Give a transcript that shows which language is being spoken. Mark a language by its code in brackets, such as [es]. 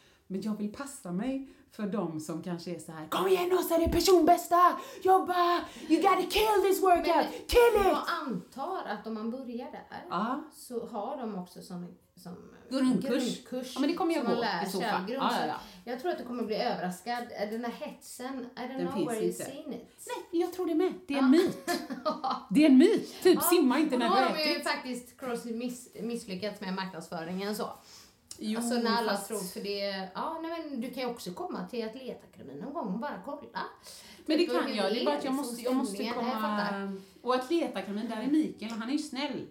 [sv] Men jag vill passa mig för dem som kanske är så här... Kom igen, Åsa, det är personbästa! Jobba! [en] You gotta kill this workout! [sv] Men, [en] kill it! [sv] Jag antar att om man börjar där... Så har de också som grundkurs. Ja, men det kommer jag gå i så fall. Jag tror att du kommer bli överraskad. Den här hetsen, [en] I don't know where you've seen it. [sv] Nej, jag tror det med. Det är en myt. Det är en myt. Typ, simma inte när du har ätit. Ju faktiskt CrossFit misslyckats med marknadsföringen så. Jo, alltså när alla tror för det. Ja, nej, men du kan ju också komma till Atletakademin någon gång och bara kolla. Men det kan jag, det är bara att jag måste komma. Och Atletakademin, där är Mikael och han är ju snäll.